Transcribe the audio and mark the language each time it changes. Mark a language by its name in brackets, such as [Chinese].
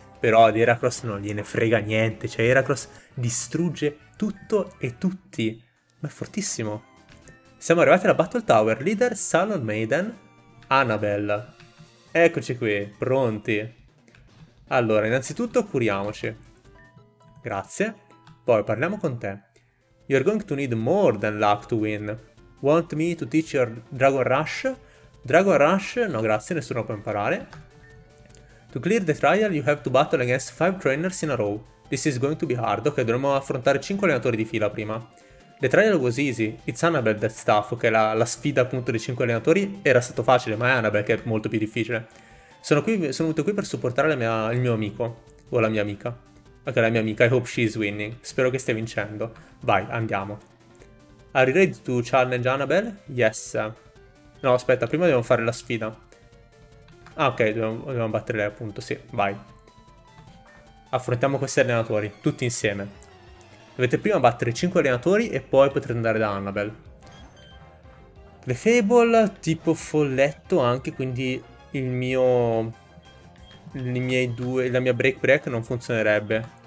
[Italian] Però di Heracross non gliene frega niente. Cioè, Heracross distrugge tutto e tutti. Ma è fortissimo. Siamo arrivati alla Battle Tower. Leader, Salon Maiden, Annabelle. Eccoci qui, pronti. Allora, innanzitutto curiamoci. Grazie. Poi parliamo con te. [English] You're going to need more than luck to win. Want me to teach your Dragon Rush? Dragon Rush? [Italian] No, grazie, nessuno può imparare. [English] To clear the trial, you have to battle against 5 trainers in a row. This is going to be hard. [Italian] Ok, dovremmo affrontare 5 allenatori di fila prima. [English] The trial was easy. It's Annabelle that's tough. [Italian] Ok, la sfida appunto dei 5 allenatori era stato facile, ma è Annabelle che è molto più difficile. Sono venuto qui per supportare il mio amico o la mia amica. Ok, la mia amica, [English] I hope she's winning. [Italian] Spero che stia vincendo. Vai, andiamo. [English] Are you ready to challenge Annabelle? Yes. [Italian] No, aspetta, prima dobbiamo fare la sfida. Ah, ok, dobbiamo battere lei, appunto, sì, vai. Affrontiamo questi allenatori, tutti insieme. Dovete prima battere 5 allenatori e poi potrete andare da Annabelle. Le Fable, tipo folletto anche, quindi la mia break non funzionerebbe.